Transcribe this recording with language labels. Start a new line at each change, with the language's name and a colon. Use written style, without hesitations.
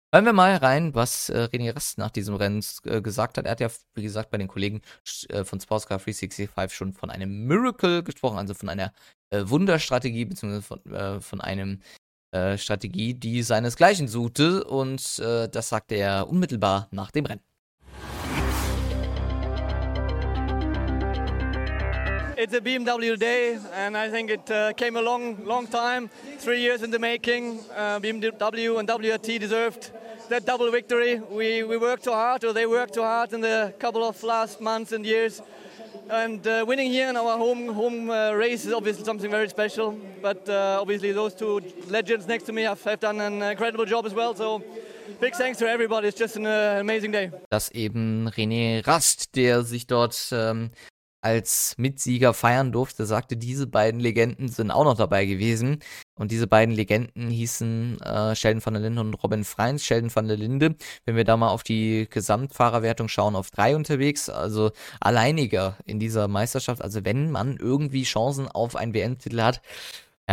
German: Hören wir mal rein, was René Rast nach diesem Rennen gesagt hat. Er hat ja, wie gesagt, bei den Kollegen von Sportscar 365 schon von einem Miracle gesprochen, also von einer Wunderstrategie, beziehungsweise von einem Strategie, die seinesgleichen suchte. Und das sagte er unmittelbar nach dem Rennen.
English: It's a BMW day, and I think it came a long time, 3 years in the making. BMW and WRT deserved that double victory. We worked too hard, or they worked too hard in the couple of last months and years. And winning here in our home race is obviously something very special. But obviously those two legends next to me have done an incredible job as well. So big thanks to everybody. It's just an amazing day.
German: Das eben René Rast, der sich dort als Mitsieger feiern durfte, sagte, diese beiden Legenden sind auch noch dabei gewesen. Und diese beiden Legenden hießen Sheldon van der Linde und Robin Freins. Sheldon van der Linde, wenn wir da mal auf die Gesamtfahrerwertung schauen, auf 3 unterwegs, also alleiniger in dieser Meisterschaft. Also wenn man irgendwie Chancen auf einen WM-Titel hat, ja,